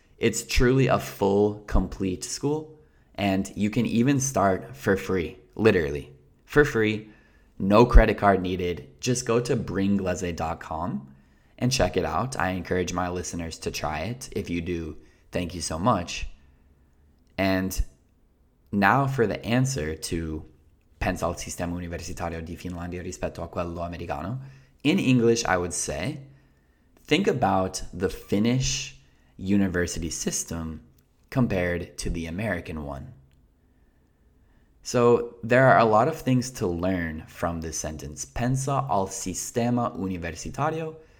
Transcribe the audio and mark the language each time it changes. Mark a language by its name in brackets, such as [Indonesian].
[English] It's truly a full, complete school, and you can even start for free, literally, for free, no credit card needed. Just go to bringlese.com and check it out. I encourage my listeners to try it. If you do, thank you so much. And now for the answer to [Italian] pensa al sistema universitario di Finlandia rispetto a quello americano. [English] In English, I would say, think about the Finnish university system compared to the American one. So there are a lot of things to learn from this sentence. [Italian] Pensa al sistema universitario